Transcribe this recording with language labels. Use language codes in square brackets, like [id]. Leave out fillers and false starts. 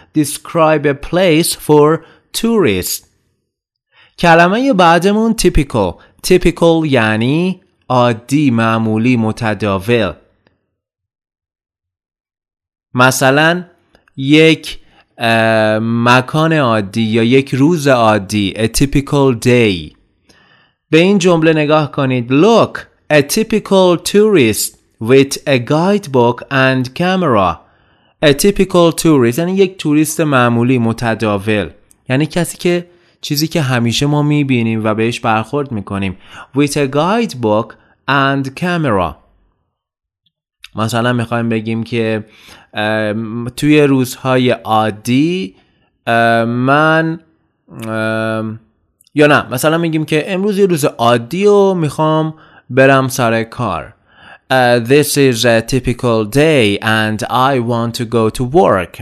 [en] Describe a place for tourist. [fa] کلمه بعدمون [en] typical. [fa] Typical یعنی عادی، معمولی، متداول. مثلا یک مکان عادی یا یک روز عادی. [en] A typical day. [fa] به این جمله نگاه کنید. [en] Look, a typical tourist with a guidebook and camera. A typical tourist [fa] یعنی یک توریست معمولی، متداول، یعنی کسی که چیزی که همیشه ما میبینیم و بهش برخورد میکنیم. [en] With a guidebook and camera. [fa] مثلا میخوایم بگیم که توی روزهای عادی من یا نه مثلا میگیم که امروز یه روز عادی و میخوام برم سر کار. [en] This is a typical day and I want to go to work.